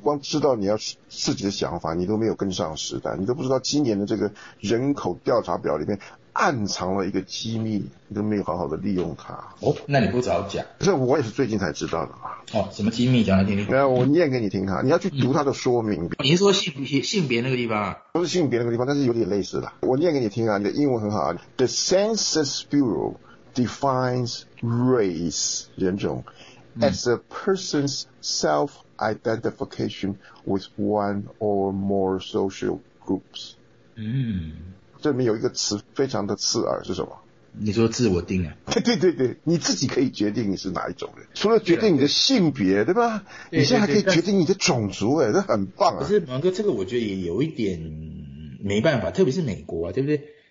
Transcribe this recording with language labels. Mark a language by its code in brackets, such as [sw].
[zh] 光知道你要自己的想法，你都没有跟上时代，你都不知道今年的这个人口调查表里面暗藏了一个机密，你都没有好好的利用它。那你不早讲？这我也是最近才知道的嘛。什么机密？讲来听听。我念给你听哈，你要去读它的说明。你说性别那个地方？不是性别那个地方，但是有点类似的。我念给你听啊，你的英文很好啊。 [en] The Census Bureau defines race 人种 as a person's self-identification with one or more social groups。 [zh] 这里面有一个词非常的刺耳，是什么？你说自我定啊？对，你自己可以决定你是哪一种人，除了决定你的性别，对吧？对，你现在还可以决定你的种族，哎，这很棒啊！可是芒哥，这个我觉得也有一点没办法，特别是美国啊，对不对？